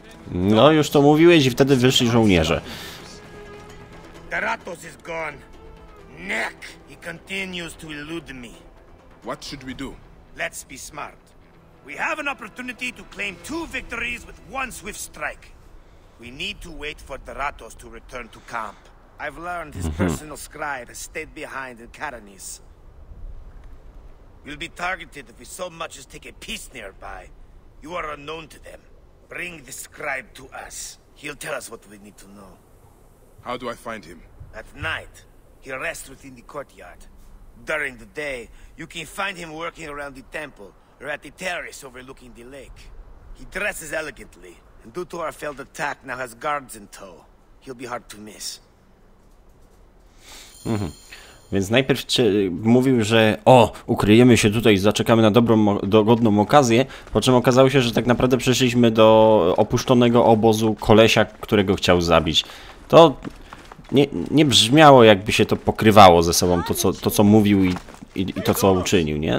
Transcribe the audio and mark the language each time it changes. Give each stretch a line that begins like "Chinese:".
Polish: No, już to mówiłeś i wtedy wyszli żołnierze.
English: Taratos is gone. Neck, he continues to elude me. What should we do? Let's be smart. We have an opportunity to claim two victories with one swift strike. We need to wait for Taratos to return to camp. I've learned his personal scribe has stayed behind in Karanis. We'll be targeted if we so much as take a piece nearby. You are unknown to them. Bring the scribe to us. He'll tell us what we need to know. How do I find him? At night, he'll rest within the courtyard. During the day, you can find him working around the temple or at the terrace overlooking the lake. He dresses elegantly, and due to our failed attack, now has guards in tow. He'll be hard to miss.
Polish: Więc najpierw mówił, że o, ukryjemy się tutaj, zaczekamy na dobrą, dogodną okazję, po czym okazało się, że tak naprawdę przeszliśmy do opuszczonego obozu kolesia, którego chciał zabić. To nie brzmiało, jakby się to pokrywało ze sobą, to co mówił i to, co uczynił, nie?